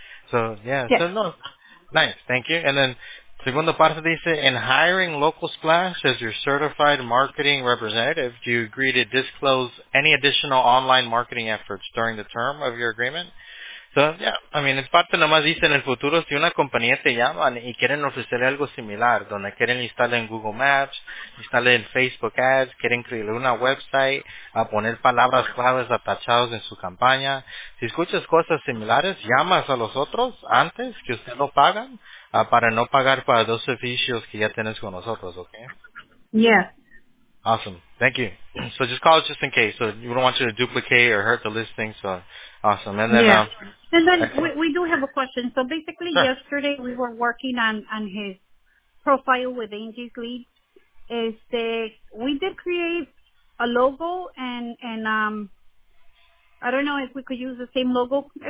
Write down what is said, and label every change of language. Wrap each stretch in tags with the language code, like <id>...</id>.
<en>So, yeah. Yes. So, no. Nice. Thank you. And then,</en> <es>segunda parte dice,</es> <en>in hiring Local Splash as your certified marketing representative, do you agree to disclose any additional online marketing efforts during the term of your agreement? So, yeah, I mean,</en> <es>es parte nomás dice, en el futuro, si una compañía te llama y quieren ofrecerle algo similar, donde quieren instalar en Google Maps, instalar en Facebook Ads, quieren crearle una website, a poner palabras claves atachadas en su campaña, si escuchas cosas similares, llamas a los otros antes que usted lo pagan, para no pagar para dos servicios que ya tienes con nosotros, okay?</es> <en>Yeah. Awesome. Thank you. So just call us just in case. So we don't want you to duplicate or hurt the listing. So awesome. And then, yeah. And then we do have a question. So basically yesterday we were working on his profile with Angie's lead. We did create a logo and I don't know if we could use the same logo.</en>